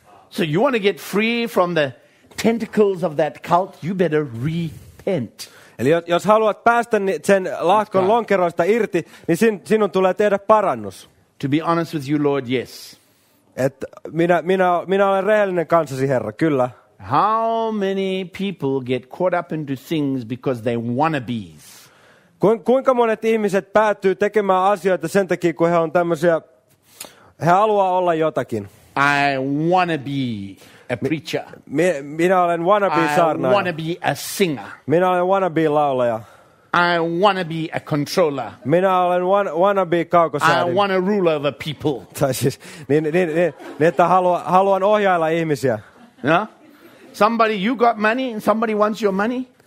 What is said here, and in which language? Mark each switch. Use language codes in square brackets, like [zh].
[en] So you want to get free from the tentacles of that cult, you better repent. [fi] Eli jos haluat päästä sen lahkon lonkeroista irti, niin sinun tulee tehdä parannus. [en] To be honest with you, Lord, yes. [fi] Et minä olen rehellinen kanssasi, Herra, kyllä. [en] How many people get caught up into things because they wannabes? [fi] Kuinka monet ihmiset päätyy tekemään asioita sen takia, kun he on tämmöisiä, he haluaa olla jotakin. [en] I wanna be a preacher. [fi] Minä olen wannabe saarnaaja. [en] I wanna be a singer. [fi] Minä olen wannabe laulaja. [en] I wanna be a controller. [fi] Minä olen wannabe kaukosäädin. [en] I wanna rule over people. [fi] Tai siis, niin että haluan ohjailla ihmisiä. [en] Yeah? Somebody, you got money and somebody wants your money?